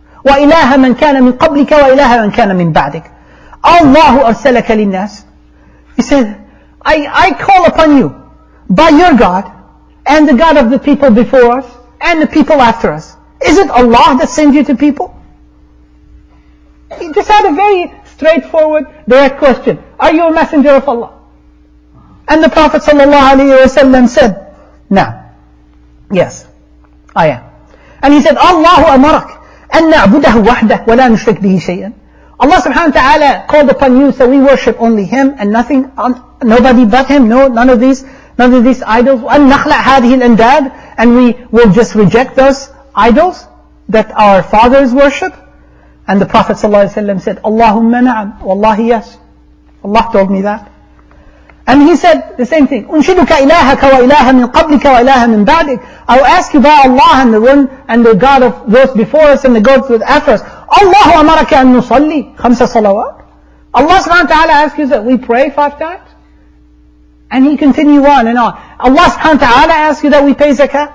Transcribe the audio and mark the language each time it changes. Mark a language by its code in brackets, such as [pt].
[ar] وإله من كان من قبلك وإله من كان من بعدك. الله أرسلك للناس. [en] He said, I call upon you by your God and the God of the people before us and the people after us. Is it Allah that sends you to people? He just had a very straightforward, direct question. Are you a messenger of Allah? And the Prophet صلى الله عليه وسلم said, نعم. Yes, I am. And he said, [ar] الله أمرك. أن نعبده وحده ولا نشرك به شيئا. [en] Allah subhanahu wa ta'ala called upon you, so we worship only Him and nothing, nobody but Him, no, none of these idols. [ar] أن نخلع هذه الأنداد, [en] and we will just reject those idols that our fathers worship. And the Prophet sallallahu alaihi wasallam said, [ar] اللهم نعم, والله [en] yes, Allah told me that. And he said the same thing. [ar] أنشدك إلهك وإله من قبلك وإله من بعدك. [en] I will ask you by Allah and the one and the God of those before us and the God with after us. [ar] Allahu amaraka an nusalli khamsa salawat. [en] Allah subhanahu wa ta'ala asks you that we pray five times. And he continue on and on. Allah subhanahu wa ta'ala asks you that we pay zakah.